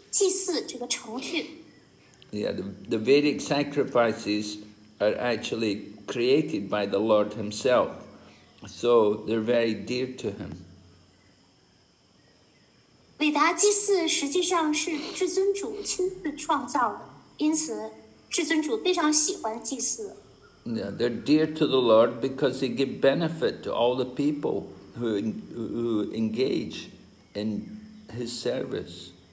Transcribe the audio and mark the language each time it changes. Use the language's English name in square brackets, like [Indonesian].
[Chinese] 至尊主在祭祀当中接受这些贡品的时候，他只是为了来，他只是为了韦达经的缘故来接受的，他是为了来赞许祭祀这个程序。 [English] Yeah, the Vedic sacrifices are actually created by the Lord Himself, so they're very dear to Him. [Chinese] 韦达祭祀实际上是至尊主亲自创造的，因此至尊主非常喜欢祭祀。 [English] Yeah, they're dear to the Lord because they give benefit to all the people who engage in His service.